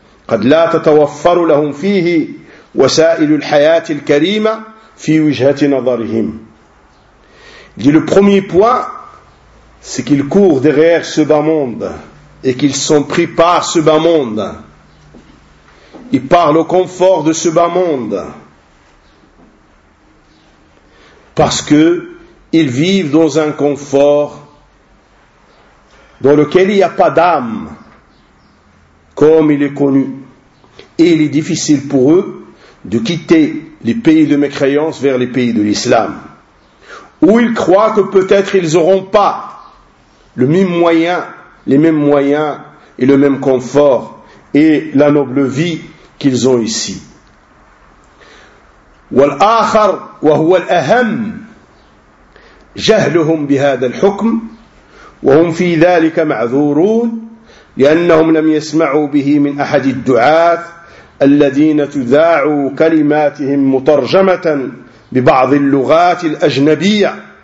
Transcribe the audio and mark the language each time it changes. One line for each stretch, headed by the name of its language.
Arabic: قد لا تتوفر لهم فيه وسائل الحياة الكريمة في وجهة نظرهم.
French: Il dit, le premier point, c'est qu'ils courent derrière ce bas monde et qu'ils sont pris par ce bas monde. Ils parlent au confort de ce bas monde parce que ils vivent dans un confort dans lequel il n'y a pas d'âme, comme il est connu. Et il est difficile pour eux de quitter les pays de mécréance vers les pays de l'islam, où ils croient que peut-être ils n'auront pas le même moyen, les mêmes moyens et le même confort et la noble vie qu'ils ont ici.
Arabic: والآخر وهو الأهم جهلهم بهذا الحكم وهم في ذلك معذورون لأنهم لم يسمعوا به من أحد الدعاة الذين تذاعوا كلماتهم مترجمة ببعض اللغات الأجنبية